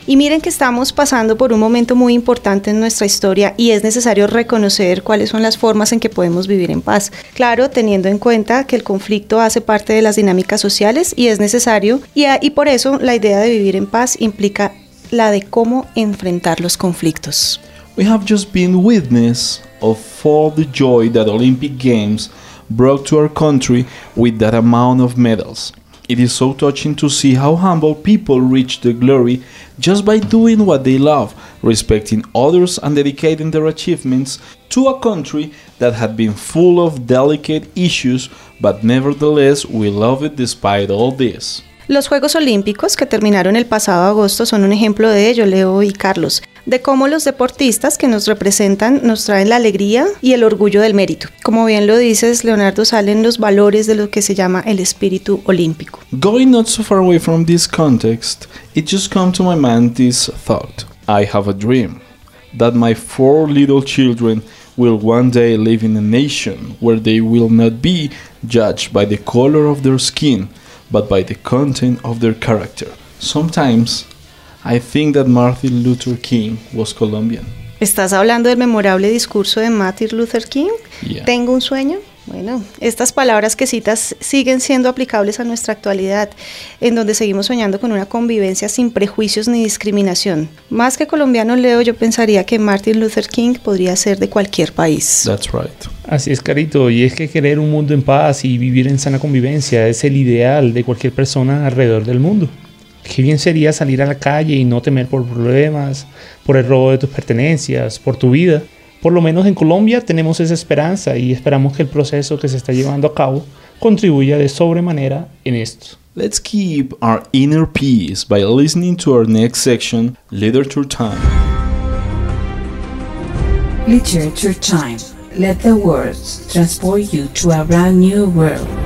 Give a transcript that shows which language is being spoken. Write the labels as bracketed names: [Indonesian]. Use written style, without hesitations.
[Spanish] Y miren que estamos pasando por un momento muy importante en nuestra historia y es necesario reconocer cuáles son las formas en que podemos vivir en paz. Claro, teniendo en cuenta que el conflicto hace parte de las dinámicas sociales y es necesario. Y por eso la idea de vivir en paz implica la de cómo enfrentar los conflictos. [English] We have just been witness of all the joy that Olympic Games brought to our country with that amount of medals. It is so touching to see how humble people reach the glory just by doing what they love, respecting others and dedicating their achievements to a country that had been full of delicate issues, but nevertheless we love it despite all this. [Spanish] Los Juegos Olímpicos, que terminaron el pasado agosto, son un ejemplo de ello, Leo y Carlos, de cómo los deportistas que nos representan nos traen la alegría y el orgullo del mérito. Como bien lo dices, Leonardo, salen los valores de lo que se llama el espíritu olímpico. [English] Going not so far away from this context, it just came to my mind this thought. I have a dream that my four little children will one day live in a nation where they will not be judged by the color of their skin, but by the content of their character. Sometimes, I think that Martin Luther King was Colombian. [Spanish] ¿Estás hablando del memorable discurso de Martin Luther King? [English] Yeah. [Spanish] ¿Tengo un sueño? Bueno, estas palabras que citas siguen siendo aplicables a nuestra actualidad, en donde seguimos soñando con una convivencia sin prejuicios ni discriminación. Más que colombiano, Leo, yo pensaría que Martin Luther King podría ser de cualquier país. [English] That's right. [Spanish] Así es, Carito, y es que querer un mundo en paz y vivir en sana convivencia es el ideal de cualquier persona alrededor del mundo. Qué bien sería salir a la calle y no temer por problemas, por el robo de tus pertenencias, por tu vida. Por lo menos en Colombia tenemos esa esperanza y esperamos que el proceso que se está llevando a cabo contribuya de sobremanera en esto. [English] Let's keep our inner peace by listening to our next section, Literature Time. Literature Time. Let the words transport you to a brand new world.